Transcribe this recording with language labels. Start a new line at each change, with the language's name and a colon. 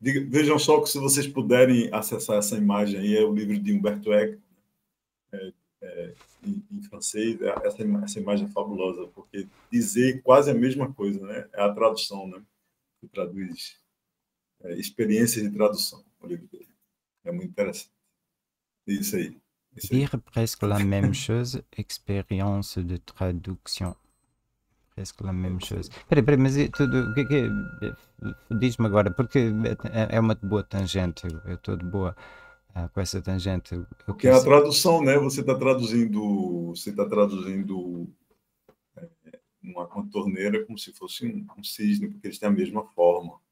Portuguese: Vejam só que, se vocês puderem acessar essa imagem aí, é o livro de Humberto Eco, em francês. Essa imagem é fabulosa, porque dizer quase a mesma coisa, né? É a tradução, né? Que traduz experiência de tradução, o livro dele. É muito interessante. É isso aí.
French: Dire presque la même chose, expérience de traduction. Presque la même chose.
Portuguese: Espera, mas tudo, que diz-me agora, porque é uma boa tangente, eu estou de boa com essa tangente. Porque é a tradução, né? Você está traduzindo uma contorneira como se fosse um cisne, porque eles têm a mesma forma.